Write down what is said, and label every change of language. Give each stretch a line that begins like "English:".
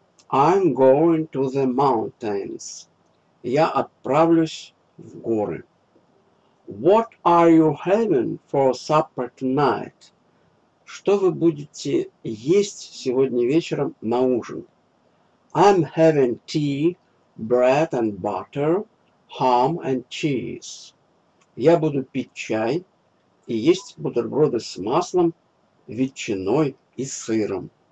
English: I'm going to the mountains.
Russian: Я отправлюсь в горы.
English: What are you having for supper tonight?
Russian: Что вы будете есть сегодня вечером на ужин?
English: I'm having tea, bread and butter, ham and cheese.
Russian: Я буду пить чай и есть бутерброды с маслом, ветчиной и сыром.